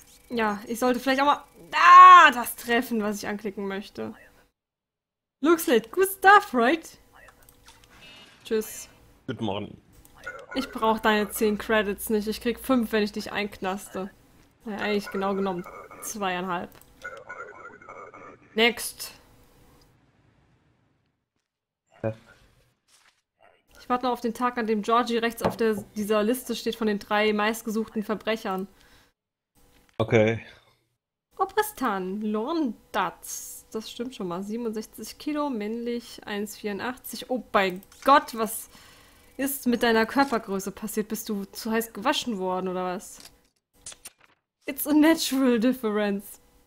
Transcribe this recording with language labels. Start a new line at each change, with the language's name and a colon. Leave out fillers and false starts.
German: Ja, ich sollte vielleicht auch mal da das treffen, was ich anklicken möchte.
English: Looks like good stuff, right?
German: Tschüss. Guten Morgen. Ich brauche deine 10 Credits nicht. Ich krieg 5, wenn ich dich einknaste. Naja, eigentlich genau genommen 2,5. Next. Ich warte noch auf den Tag, an dem Georgie rechts auf dieser Liste steht von den 3 meistgesuchten Verbrechern. Okay. Obristan, Lorndatz. Das stimmt schon mal. 67 Kilo, männlich, 1,84. Oh mein Gott, was ist mit deiner Körpergröße passiert? Bist du zu heiß gewaschen worden oder was?
English: It's a natural difference.